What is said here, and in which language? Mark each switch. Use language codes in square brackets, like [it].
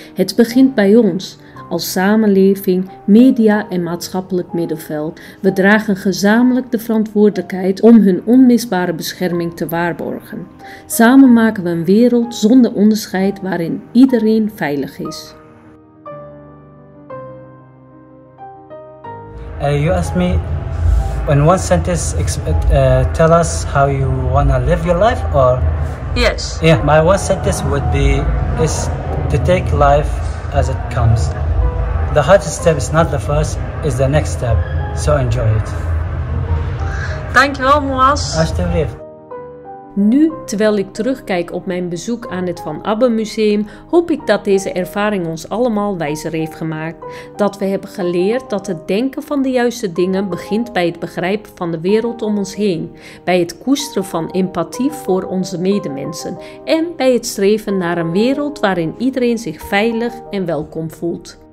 [nl] Het begint bij ons, als samenleving, media en maatschappelijk middenveld. We dragen gezamenlijk de verantwoordelijkheid om hun onmisbare bescherming te waarborgen. Samen maken we een wereld zonder onderscheid waarin iedereen veilig is. [en] You ask me in one sentence, tell us how you wanna live your life, or yes. Yeah, my one sentence would be is to take life as it comes. the hardest step is not the first, it's the next step. So enjoy it. [nl] Dankjewel, Moaz. Alsjeblieft. Nu, terwijl ik terugkijk op mijn bezoek aan het Van Abbe Museum, hoop ik dat deze ervaring ons allemaal wijzer heeft gemaakt. Dat we hebben geleerd dat het denken van de juiste dingen begint bij het begrijpen van de wereld om ons heen, bij het koesteren van empathie voor onze medemensen en bij het streven naar een wereld waarin iedereen zich veilig en welkom voelt.